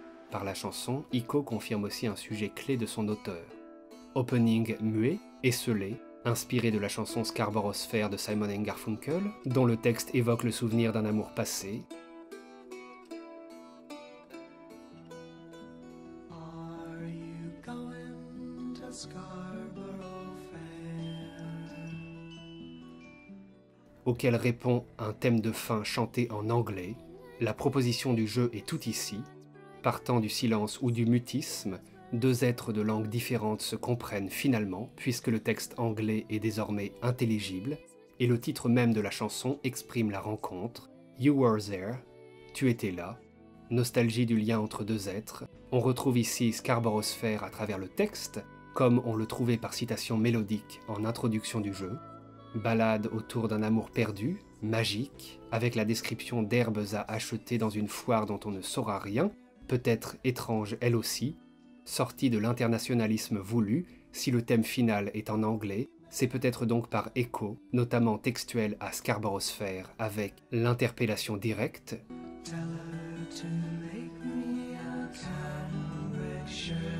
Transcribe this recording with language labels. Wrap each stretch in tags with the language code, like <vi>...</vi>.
<fr>Par la chanson, Ico confirme aussi un sujet clé de son auteur. Opening muet, esselé, inspiré de la chanson Scarborough Sphere de Simon & Garfunkel, dont le texte évoque le souvenir d'un amour passé.</fr> <en>Are you going to Scarborough Fair?</en> <fr>Auquel répond un thème de fin chanté en anglais. La proposition du jeu est tout ici. Partant du silence ou du mutisme, deux êtres de langues différentes se comprennent finalement, puisque le texte anglais est désormais intelligible, et le titre même de la chanson exprime la rencontre, «</fr> <en>You were there</en> <fr>», « Tu étais là », nostalgie du lien entre deux êtres. On retrouve ici Scarborough Sphere à travers le texte, comme on le trouvait par citation mélodique en introduction du jeu, balade autour d'un amour perdu, magique, avec la description d'herbes à acheter dans une foire dont on ne saura rien, peut-être étrange elle aussi, sortie de l'internationalisme voulu, si le thème final est en anglais, c'est peut-être donc par écho, notamment textuel à Scarborough Sphere, avec l'interpellation directe.</fr> <en>Tell her to make me a cambric shirt.</en>